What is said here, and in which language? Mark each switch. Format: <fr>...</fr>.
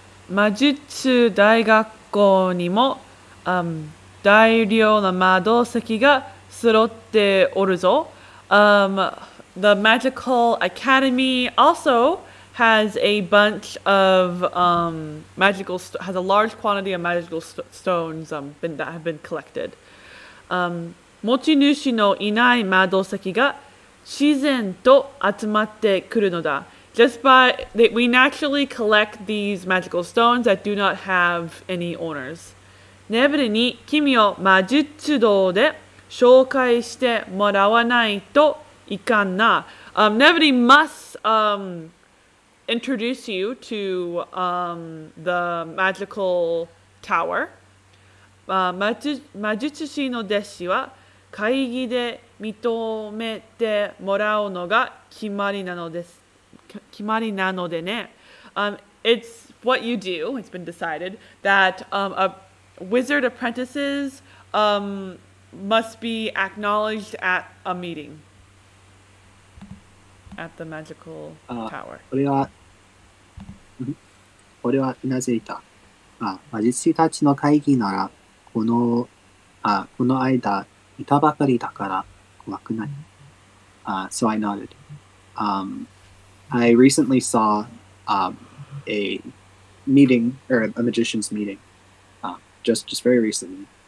<ja>魔術大学校にも、大量の魔導石が揃っておるぞ。</ja> <en>The Magical Academy also has a bunch of has a large quantity of magical stones that have been collected.</en> <ja>持ち主のいない魔導石が自然と集まってくるのだ。</ja> <en>We naturally collect these magical stones that do not have any owners.</en> <ja>ネブリに君を魔術堂で紹介してもらわないといかんな。</ja> <en>Nevity must introduce you to the magical tower.</en> <ja>魔術師の弟子は会議で認めてもらうのが決まりなのです。決まりなのでね。</ja> <en>It's what you do. It's been decided that a wizard apprentices must be acknowledged at a meeting at the magical tower.</en> <ja>これはうなずいた。あ、魔術師たちの会議ならこの間いたばかりだから怖くない。</ja> <en>So I nodded. I recently saw a meeting or a magician's meeting just very recently.</en>